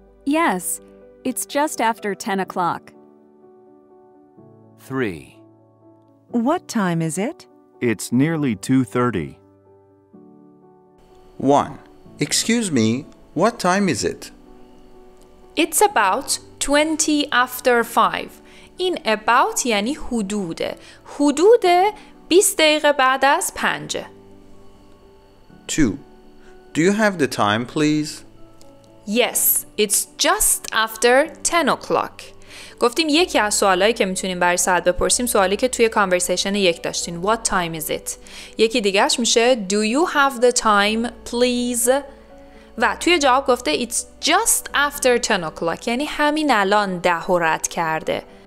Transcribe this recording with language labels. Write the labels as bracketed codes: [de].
[en] Yes, it's just after 10 o'clock. 3. What time is it? It's nearly 2:30. 1. Excuse me, what time is it? It's about 20 after 5. [fa] این about یعنی حدوده. حدوده 20 دقیقه بعد از 5. [en] 2. Do you have the time, please? Yes, it's just after 10 o'clock. [fa] گفتیم یکی از سوالایی که میتونیم برای ساعت بپرسیم سوالی که توی کانورسیشن یک داشتین، [en] what time is it. [fa] یکی دیگرش میشه [en] do you have the time please، [fa] و توی جواب گفته [en] it's just after 10 o'clock [fa] یعنی همین الان ده رو رد کرده.